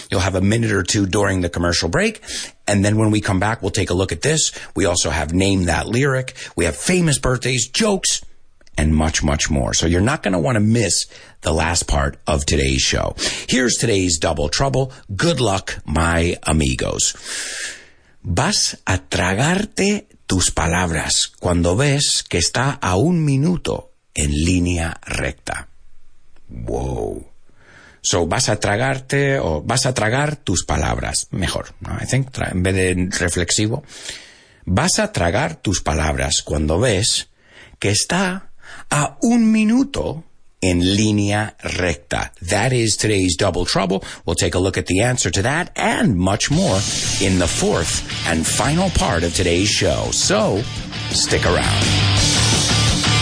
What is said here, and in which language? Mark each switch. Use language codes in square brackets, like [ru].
[en] You'll have a minute or two during the commercial break. And then when we come back, we'll take a look at this. We also have Name That Lyric. We have famous birthdays, jokes, and much, much more. So you're not going to want to miss the last part of today's show. Here's today's Double Trouble. Good luck, my amigos. [es] Vas a tragarte tus palabras cuando ves que está a un minuto en línea recta. Whoa. So vas a tragarte o vas a tragar tus palabras. Mejor, ¿no? [en] I think, [es] en vez de reflexivo. Vas a tragar tus palabras cuando ves que está a un minuto en línea recta. [en] That is today's Double Trouble. We'll take a look at the answer to that and much more in the fourth and final part of today's show. So, stick around.